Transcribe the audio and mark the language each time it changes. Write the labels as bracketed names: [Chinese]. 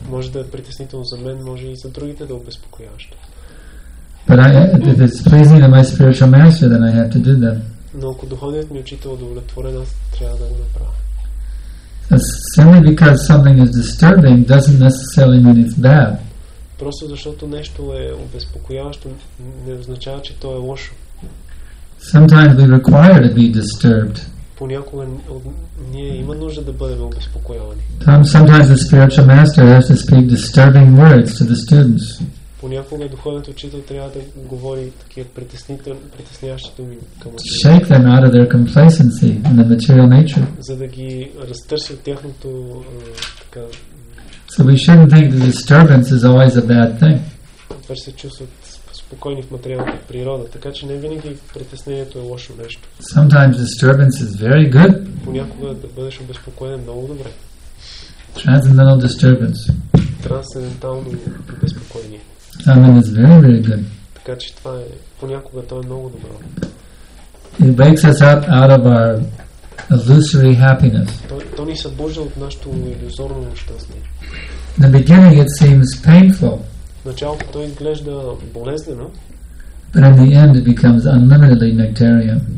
[Bulgarian] Може да е притеснително за мен, може и за другите да обезпокояващо. [English] But if it's pleasing to my spiritual master, then I have to do that. [Bulgarian] Но ако духовният ми учител удовлетворен, аз трябва да го направя. [English] Simply because something is disturbing doesn't necessarily mean it's bad. [Bulgarian] Просто защото нещо е обезпокояващо, не означава, че то е лошо. [English] Sometimes we require to be disturbed. [Bulgarian] Понякога ние има нужда да бъдем обезпокоявани. [English] Sometimes the spiritual master has to speak disturbing words to the students. [Bulgarian] Понякога духовният учител трябва да говори такива притесняващи думи към учениците. [English] Shake them out of their complacency in the material nature. [Bulgarian] За да ги разтърси от тяхното така. [English] So we shouldn't think that disturbance is always a bad thing. [Bulgarian] Да се чувстват спокойни в материалната природа, така че не винаги притеснението е лошо нещо. [English] Sometimes disturbance is very good. [Bulgarian] Понякога да бъдеш обезпокоен е много добре. [English] Transcendental disturbance. [Bulgarian] Трансцендентално обезпокоение. [English] I mean, it's very, very good. [Bulgarian] Така че това е понякога то е много добро. [English] It wakes us up out of our illusory happiness. [Bulgarian] То ни събужда от нашето илюзорно щастие. [English] The beginning it seems painful. [Bulgarian] В началото то изглежда болезнено. [English] But in the end it becomes unlimitedly nectarian.